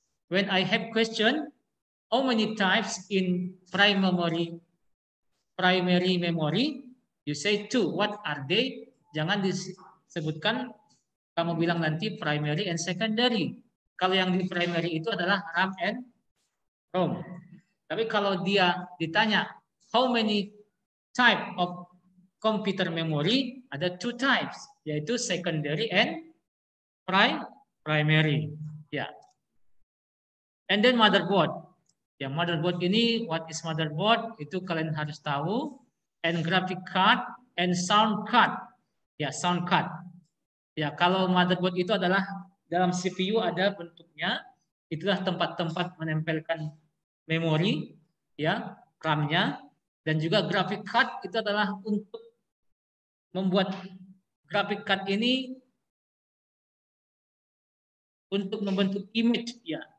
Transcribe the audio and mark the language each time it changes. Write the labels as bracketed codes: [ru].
[en] When I have question, how many types in primary memory, you say two, what are they? [id] Jangan disebutkan, kamu bilang nanti [en] primary and secondary. [id] Kalau yang di primary itu adalah RAM and ROM. Tapi kalau dia ditanya, [en] how many type of computer memory, ada two types, yaitu secondary and primary, ya. Yeah. [id] And then motherboard, ya yeah, motherboard ini [en] what is motherboard [id] itu kalian harus tahu. [en] And graphic card and sound card, ya yeah, sound card. [id] Ya yeah, kalau motherboard itu adalah dalam CPU ada bentuknya, itulah tempat-tempat menempelkan memori, ya yeah, RAM-nya. Dan juga graphic card itu adalah untuk membuat graphic card ini untuk membentuk image, ya.